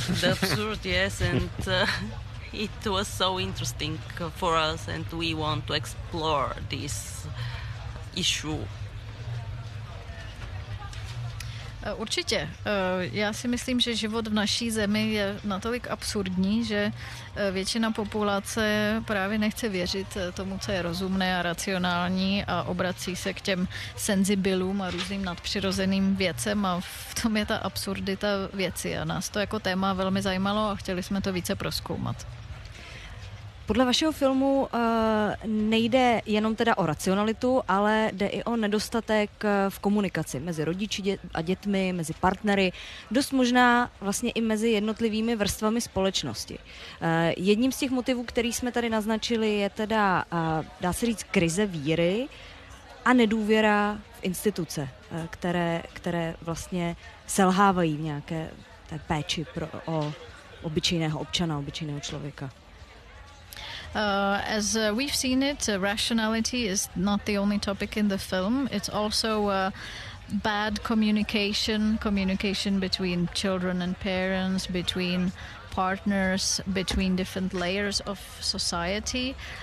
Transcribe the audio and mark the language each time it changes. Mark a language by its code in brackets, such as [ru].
[en] The absurd, yes, and it was so interesting for us, and we want to explore this issue. [cs] Určitě. Já si myslím, že život v naší zemi je natolik absurdní, že většina populace právě nechce věřit tomu, co je rozumné a racionální, a obrací se k těm senzibilům a různým nadpřirozeným věcem, a v tom je ta absurdita věci. A nás to jako téma velmi zajímalo a chtěli jsme to více prozkoumat. Podle vašeho filmu nejde jenom teda o racionalitu, ale jde i o nedostatek v komunikaci mezi rodiči a dětmi, mezi partnery, dost možná vlastně i mezi jednotlivými vrstvami společnosti. Jedním z těch motivů, který jsme tady naznačili, je teda, dá se říct, krize víry a nedůvěra v instituce, které vlastně selhávají v nějaké té péči o obyčejného občana, obyčejného člověka. [en] As we've seen it, rationality is not the only topic in the film. It's also bad communication between children and parents, between partners, between different layers of society.